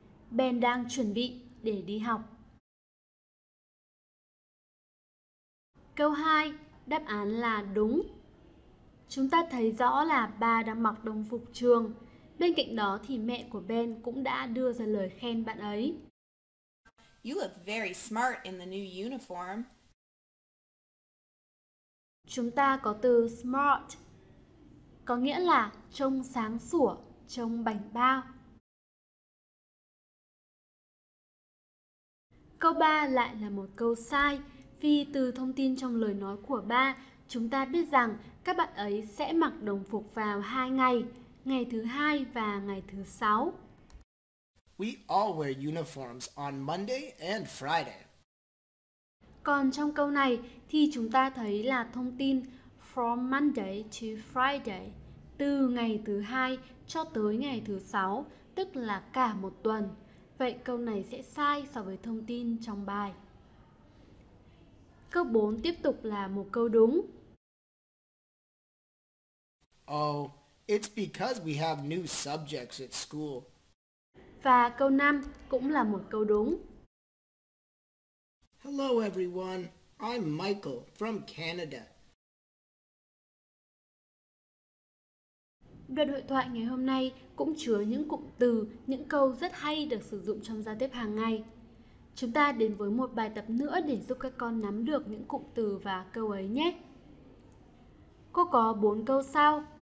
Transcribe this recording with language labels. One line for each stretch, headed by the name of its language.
Vietnamese: Ben đang chuẩn bị để đi học. Câu 2, đáp án là đúng. Chúng ta thấy rõ là ba đang mặc đồng phục trường. Bên cạnh đó thì mẹ của Ben cũng đã đưa ra lời khen bạn ấy.
English: You look very smart in the new uniform.
Vietnamese: Chúng ta có từ smart, có nghĩa là trông sáng sủa, trông bảnh bao. Câu 3 lại là một câu sai, vì từ thông tin trong lời nói của ba, chúng ta biết rằng các bạn ấy sẽ mặc đồng phục vào 2 ngày, ngày thứ 2 và ngày thứ 6.
English: We all wear uniforms on Monday and Friday.
Vietnamese: Còn trong câu này thì chúng ta thấy là thông tin
English: from Monday to Friday,
Vietnamese: từ ngày thứ 2 cho tới ngày thứ 6, tức là cả một tuần. Vậy câu này sẽ sai so với thông tin trong bài. Câu 4 tiếp tục là một câu đúng.
English: Oh, it's because we have new subjects at school.
Vietnamese: Và câu 5 cũng là một câu đúng.
English: Hello everyone, I'm Michael from Canada.
Vietnamese: Đoạn hội thoại ngày hôm nay cũng chứa những cụm từ, những câu rất hay được sử dụng trong giao tiếp hàng ngày. Chúng ta đến với một bài tập nữa để giúp các con nắm được những cụm từ và câu ấy nhé. Cô có 4 câu sau.